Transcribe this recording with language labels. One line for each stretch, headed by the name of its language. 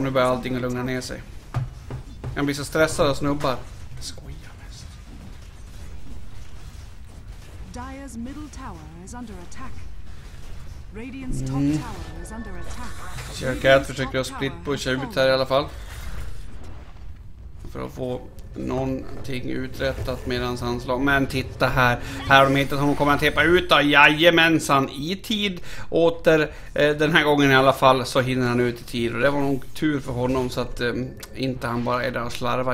Swedish: Nu börjar allting att lugna ner sig. Jag blir så stressad och snubbar. Skoja mest.
English: Dyer's middle tower is under attack. Radiant's top tower is under attack.
Swedish: Kör Cat, försöker jag split pusha ut här i alla fall. För att få någonting uträttat medans han slår. Men titta här, här har de hittat honom, kommer han tepa ut då? Jajamensan, i tid åter, den här gången i alla fall så hinner han ut i tid, och det var nog tur för honom så att inte han bara är där och slarvar.